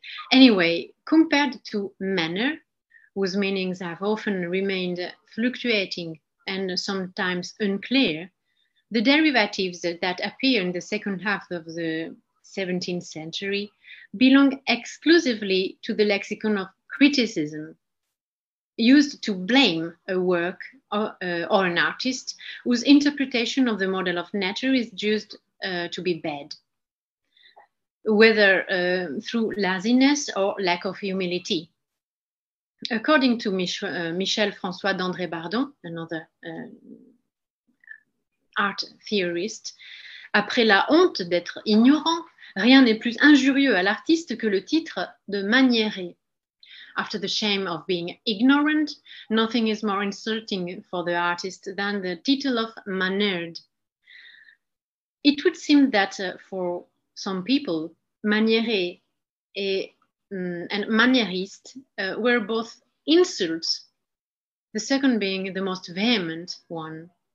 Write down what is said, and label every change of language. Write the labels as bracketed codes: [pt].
[en] Anyway, compared to manner, whose meanings have often remained fluctuating and sometimes unclear, the derivatives that appear in the second half of the 17th century belong exclusively to the lexicon of criticism, used to blame a work or an artist whose interpretation of the model of nature is judged to be bad, whether through laziness or lack of humility. According to Michel-François d'André Bardon, another art theorist, [fr] après la honte d'être ignorant, rien n'est plus injurieux à l'artiste que le titre de maniéré. [en] After the shame of being ignorant, nothing is more insulting for the artist than the title of mannered. It would seem that for some people, maniéré and maniériste were both insults, the second being the most vehement one.